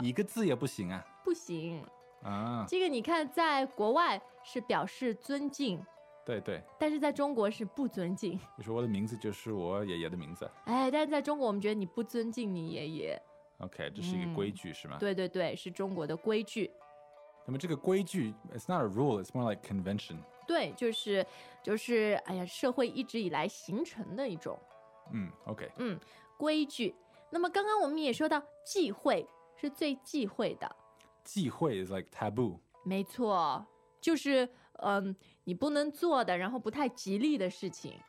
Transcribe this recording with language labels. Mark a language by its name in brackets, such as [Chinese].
[Chinese] 一个字也不行啊？不行。啊，这个你看，在国外是表示尊敬。对对，但是在中国是不尊敬。你说我的名字就是我爷爷的名字。哎，但是在中国我们觉得你不尊敬你爷爷。 OK， 这是一个规矩是吗？对对对，是中国的规矩。那么这个规矩 [English] It's not a rule, it's more like convention。 [Chinese] 对，就是哎呀，社会一直以来形成的一种 [English] OK， [Chinese] 规矩。那么刚刚我们也说到忌讳是最忌讳的。 [English] 忌讳 is like taboo。 [Chinese] 没错，就是你不能做的，然后不太吉利的事情。